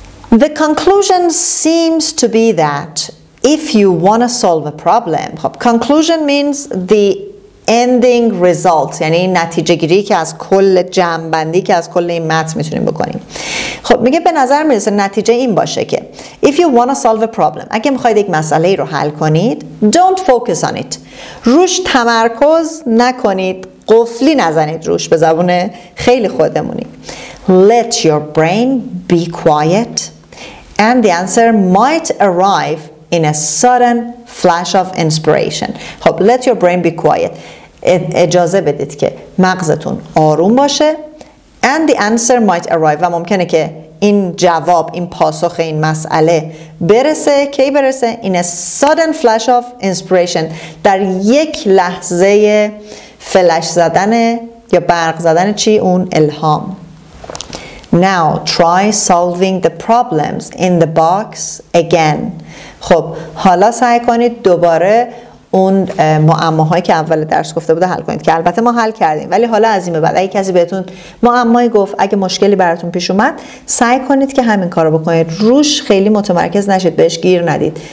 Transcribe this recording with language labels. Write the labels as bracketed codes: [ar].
[en] The conclusion seems to be that if you want to solve a problem, conclusion means the ending result، [fa] یعنی نتیجه گیری که از کل جمع‌بندی که از کل این متن میتونیم بکنیم. خب میگه به نظر میرسه نتیجه این باشه که [en] if you want to solve a problem، [fa] اگه میخواید یک مسئله رو حل کنید، [en] don't focus on it، [fa] روش تمرکز نکنید، قفلی نزنید روش، به زبون خیلی خودمونی. [en] Let your brain be quiet and the answer might arrive in a sudden flash of inspiration. [fa] خب [en] let your brain be quiet، [fa] اجازه بدید که مغزتون آروم باشه، [en] and the answer might arrive، [fa] و ممکنه که این جواب، این پاسخ، این مسئله برسه. کی برسه؟ [en] in a sudden flash of inspiration، [fa] در یک لحظه فلش زدن یا برق زدن چی؟ اون الهام. [en] Now try solving the problems in the box again. [fa] خب حالا سعی کنید دوباره اون معماهایی که اول درس گفته بوده حل کنید، که البته ما حل کردیم، ولی حالا از این به بعد اگه کسی بهتون معمایی گفت، اگه مشکلی براتون پیش اومد، سعی کنید که همین کارو بکنید، روش خیلی متمرکز نشید، بهش گیر ندید.